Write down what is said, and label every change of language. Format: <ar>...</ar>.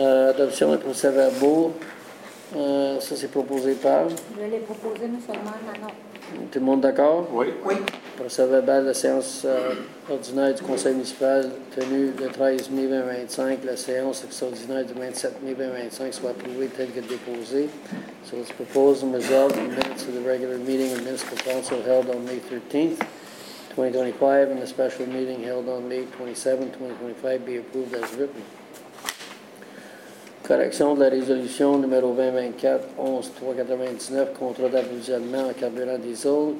<fr>Adoption d'un procès verbaux. Ça, c'est proposé par. Je l'ai proposé, mais seulement maintenant. Tout le monde d'accord? Oui. Oui. Procès verbal de la séance ordinaire du conseil municipal tenue le 13 mai 2025. La séance extraordinaire du 27 mai 2025 soit approuvée telle que déposée.</fr> <en>So, it's proposed and resolved in minutes of the regular meeting of municipal council held on May 13th. 2025 and the special meeting held on May 27, 2025 be approved as written.</en> <fr>Correction de la résolution numéro 2024-11-399, contrat d'approvisionnement en carburant diesel.</fr>